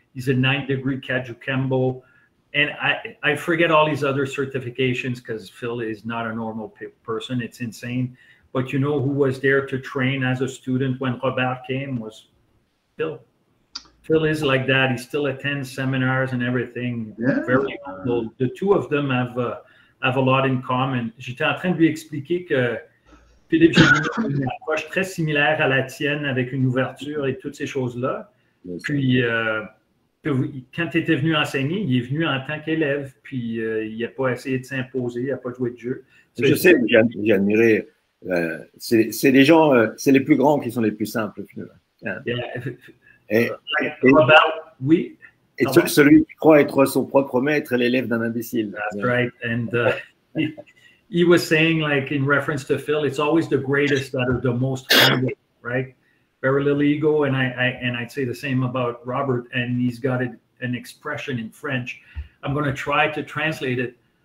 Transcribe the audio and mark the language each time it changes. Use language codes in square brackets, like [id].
[en] He's a 9-degree Kaju Kembo. And I forget all his other certifications because Phil is not a normal person. It's insane. But you know who was there to train as a student when Robert came was Phil. Phil is like that. He still attends seminars and everything. Yeah. Very humble. The two of them have a lot in common. [fr] J'étais en train de lui expliquer que Philippe Jérémy a une approche très similaire à la tienne avec une ouverture et toutes ces choses-là. Puis, quand tu étais venu enseigner, il est venu en tant qu'élève. Puis, il n'a pas essayé de s'imposer, il n'a pas joué de jeu. J'ai admiré. C'est les gens, c'est les plus grands qui sont les plus simples. Hein. [en] Yeah. Robert, oui. [fr] Et celui qui croit être son propre maître est l'élève d'un imbécile. [en] That's yeah. Right. And he was saying, like, in reference to Phil, it's always the greatest that are the most humble, right? Very little ego, and I'd say the same about Robert, and he's got an expression in French. I'm going to try to translate it.